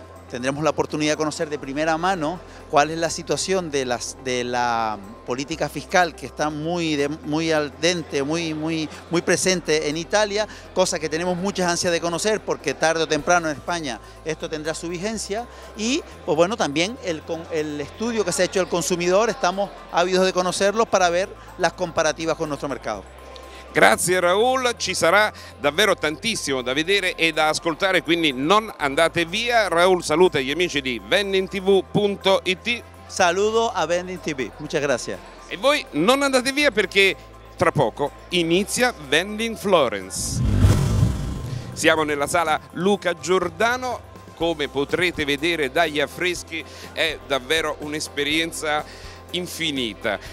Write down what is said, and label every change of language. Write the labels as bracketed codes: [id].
[es] Tendremos la oportunidad de conocer de primera mano cuál es la situación de la política fiscal, que está muy al dente, muy presente en Italia, cosa que tenemos muchas ansias de conocer porque tarde o temprano en España esto tendrá su vigencia. Y pues bueno, también el estudio que se ha hecho del consumidor, estamos ávidos de conocerlo para ver las comparativas con nuestro mercado. [it] Grazie Raul, ci sarà davvero tantissimo da vedere e da ascoltare, quindi non andate via. Raul saluta gli amici di VendingTV.it. Saluto a VendingTV, [es] muchas gracias. [it] E voi non andate via perché tra poco inizia Vending Florence. Siamo nella sala Luca Giordano. Come potrete vedere dagli affreschi, è davvero un'esperienza infinita.